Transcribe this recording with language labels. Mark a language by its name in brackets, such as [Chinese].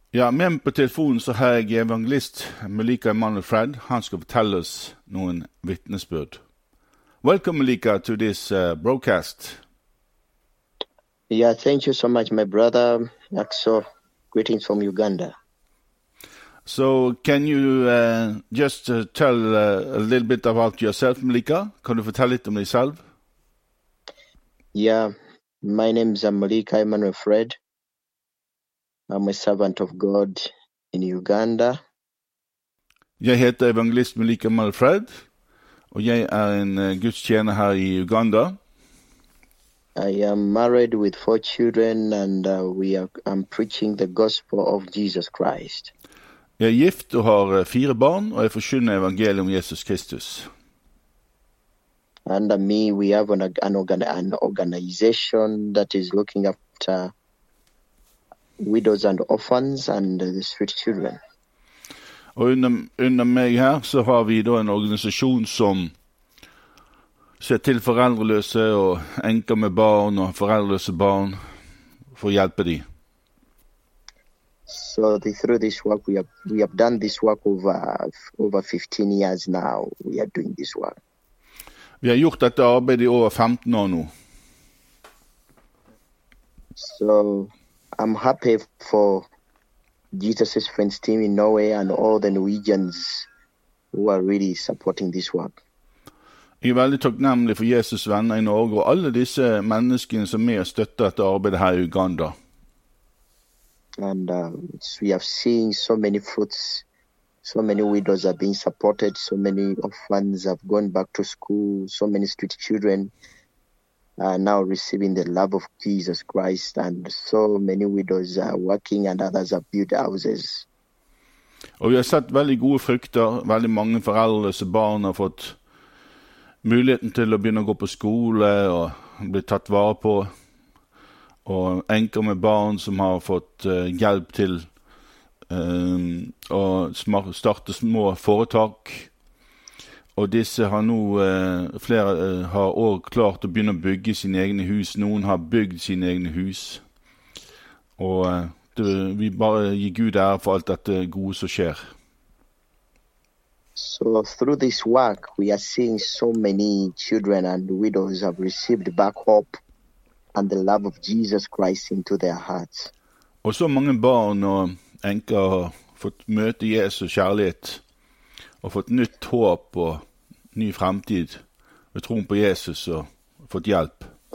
[Norwegian] Ja, med meg på telefonen så har jeg evangelist Muliika Emmanuel Fred. Han skal fortelle oss noen vitnesbyrd. [English] Welcome, Muliika, to this broadcast. Yeah, thank you so much, my brother. Also, greetings from Uganda. So, can you just tell a little bit about yourself, Muliika? [Norwegian] Kan du fortelle litt om deg selv? [English] Yeah, my name is Muliika Emmanuel Fred. I'm a servant of God in Uganda. [Norwegian] Jeg heter evangelist Muliika Emmanuel Fred, og jeg en gudstjener her I Uganda. [English] I am married with 4 children, and I'm preaching the gospel of Jesus Christ. [Norwegian] Jeg gift og har 4 barn, og jeg forkynner evangeliet om Jesus Kristus. [English] Under me, we have an organization that is looking after widows and orphans and the street children. [Norwegian] Og under meg her så har vi da en organisasjon som ser til foreldreløse og enker med barn og foreldreløse barn for å hjelpe de. [English] So through this work we have done this work over 15 years now. We are doing this work. [Norwegian] Vi har gjort dette arbeidet I over 15 år nå. [English] So I'm happy for Jesus' friends team in Norway and all the Norwegians who are really supporting this work. [Norwegian] Jeg veldig takknemlig for Jesusvenner I Norge og alle disse menneskene som og støtter dette arbeidet her I Uganda. [English] And we have seen so many fruits, so many widows are being supported, so many orphans have gone back to school, so many street children are now receiving the love of Jesus Christ, and so many widows are working, and others have built houses. [Norwegian] Og vi har sett veldig gode frukter, veldig mange foreldreløse barn har fått muligheten til å begynne å gå på skole og bli tatt vare på, og enker med barn som har fått hjelp til å starte små foretak. Og disse har nå, flere har også klart å begynne å bygge sine egne hus. Noen har bygd sine egne hus. Og vi bare gir Gud ære for alt dette gode som skjer. [English] So through this work, we are seeing so many children and widows have received back hope and the love of Jesus Christ into their hearts. [Norwegian] Og så mange barn og enker har fått møte Jesus kjærlighet. Og fått nytt håp og ny fremtid med troen på Jesus og fått hjelp.